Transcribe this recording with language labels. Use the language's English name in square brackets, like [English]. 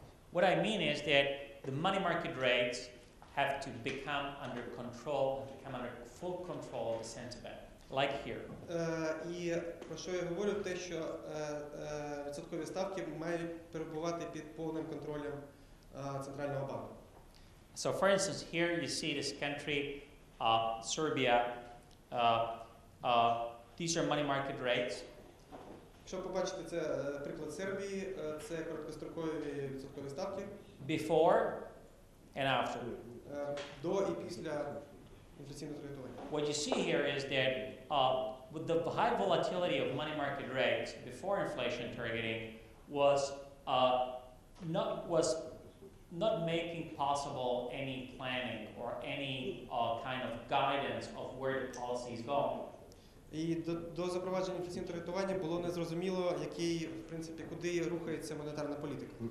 [English] What I mean is that the money market rates have to become under control, become under full control of the central bank, like here. [Ukrainian] І про що я говорю, те, що відсоткові ставки мають перебувати під повним контролем центрального банку. [English] So for instance, here you see this country, Serbia. These are money market rates. [Ukrainian] Якщо побачити це приклад Сербії, це короткострокові відсоткові ставки. [English] Before and after. [Ukrainian] До і після інфляційного таргетування. [English] What you see here is that with the high volatility of money market rates before inflation targeting was not making possible any planning or any kind of guidance of where the policy is going. [Ukrainian] І до запровадження інфляційного таргетування було незрозуміло, який, в принципі, куди рухається монетарна політика.